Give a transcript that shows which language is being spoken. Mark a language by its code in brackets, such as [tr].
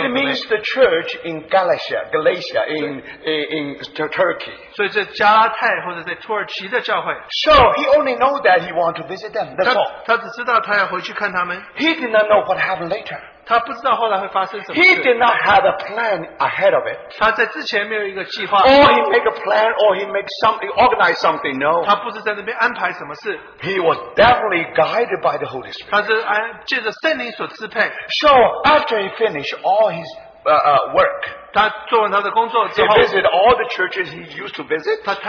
[en] It means the church in Galatia, in Turkey. [zh] 所以这加拉太或者在土耳其的教会。 [en] So he only know that he want to visit them. That's all. [zh] 他只知道他要回去看他们。 [en] He did not know what happened later. [zh] 他不知道后来会发生什么事。 [en] He did not have a plan ahead of it. [zh] 他在之前没有一个计划。 [en] Or he make a plan, or he make something, organize something. No. [zh] 他不是在那边安排什么事。 [en] He was definitely guided by the Holy Spirit. [zh] 他是借着圣灵所支配。 [en] So after he finished all his work, [zh] 他做完他的工作之后, [en] he visited all the churches he used to visit.